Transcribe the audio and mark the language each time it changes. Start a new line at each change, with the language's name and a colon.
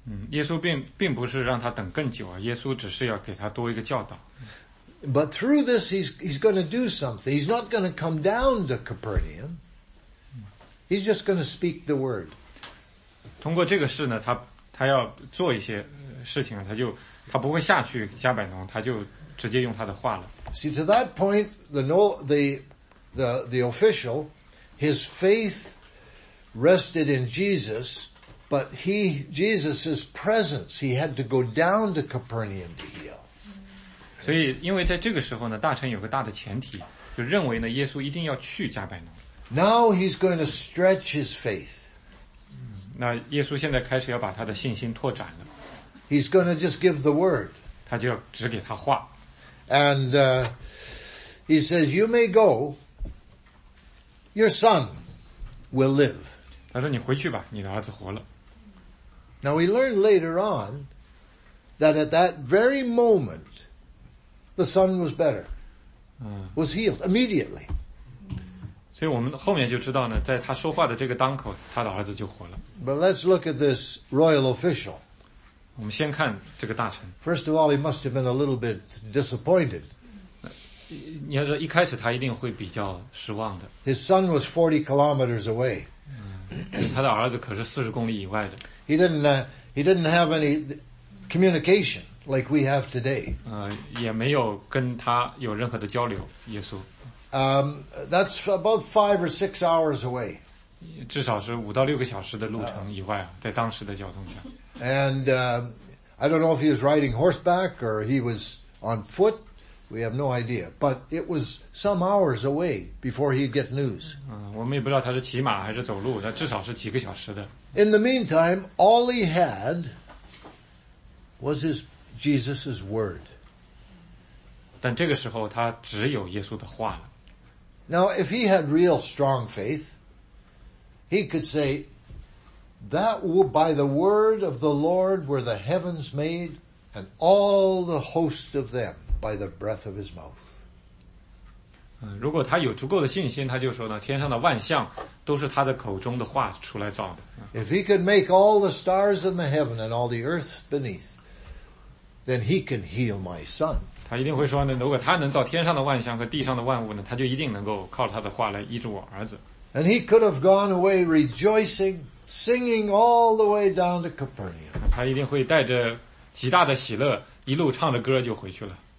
Chinese: 耶稣并不是让他等更久，耶稣只是要给他多一个教导。
English: But through this, he's going to do something. He's not going to come down to Capernaum. He's just going to speak the word.
Chinese: 通过这个事呢，他要做一些事情，他不会下去加百农，他就直接用他的话了。
English: See, to that point, the official, his faith rested in Jesus, but Jesus' presence, he had to go down to Capernaum to heal.
Chinese: 所以因为在这个时候呢，大臣有个大的前提，就认为呢，耶稣一定要去加百农。
English: Now he's going to stretch his faith.
Chinese: 那耶稣现在开始要把他的信心拓展了。
English: He's going to just give the word.
Chinese: 他就只给他话。
English: And he says, you may go, your son will live.
Chinese: 他说你回去吧，你的儿子活了。
English: Now we learn later on that at that very moment, the son was better, was healed immediately.
Chinese: 所以我们后面就知道呢，在他说话的这个当口，他的儿子就活了。
English: But let's look at this royal official.
Chinese: 我们先看这个大臣。
English: First of all, he must have been a little bit disappointed.
Chinese: 你要说一开始他一定会比较失望的。
English: His son was 40 kilometers away.
Chinese: 他的儿子可是40公里以外的。
English: He didn't have any communication like we have today.
Chinese: 也没有跟他有任何的交流，耶稣。
English: That's about 5 or 6 hours away.
Chinese: 至少是五到六个小时的路程以外，在当时的交通上。
English: And I don't know if he was riding horseback or he was on foot. We have no idea. But it was some hours away before he'd get news.
Chinese: 我们也不知道他是骑马还是走路，那至少是几个小时的。
English: In the meantime, all he had was Jesus' word.
Chinese: 但这个时候他只有耶稣的话了。
English: Now, if he had real strong faith, he could say,That by the word of the Lord were the heavens made, and all the host of them by the breath of his mouth.
Chinese: 如果他有足够的信心，他就说呢，天上的万象都是他的口中的话出来造的。
English: If he could make all the stars in the heaven and all the earth beneath, then he can heal my son.
Chinese: 他一定会说呢，如果他能造天上的万象和地上的万物呢，他就一定能够靠他的话来医治我儿子。
English: And he could have gone away rejoicing. Singing all the way down to Capernaum.
Chinese: 他一定会带着极大的喜乐，一路唱着歌就回去了。